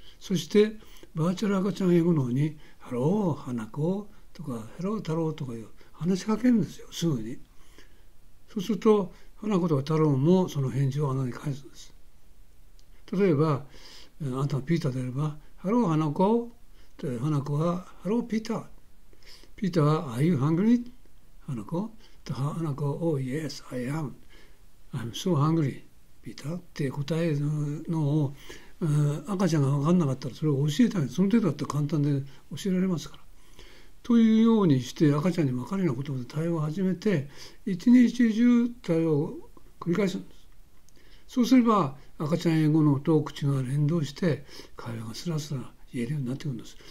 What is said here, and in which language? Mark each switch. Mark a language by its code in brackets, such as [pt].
[ja] そしてバーチャル赤ちゃん英語脳にハロー花子とかハロー太郎とかいう話しかけるんですよ、すぐに。そうすると、花子とか太郎もその返事を穴に返すんです。例えば、あなたはピーターであれば、ハロー花子。で、花子は、ハローピーター。 [en] ピーターは、Are you hungry? [ja] 花子。 [en] で、花子、Oh yes, I am. I'm so hungry, ピーター。 [ja] って答えるのを、赤ちゃんが分かんなかったらそれを教えたい。その程度だって簡単で教えられますから。というようにして赤ちゃんに分かるようなことで対話を始めて、一日中対話を繰り返すんです。そうすれば赤ちゃん英語脳と口が連動して会話がスラスラ言えるようになってくるんです。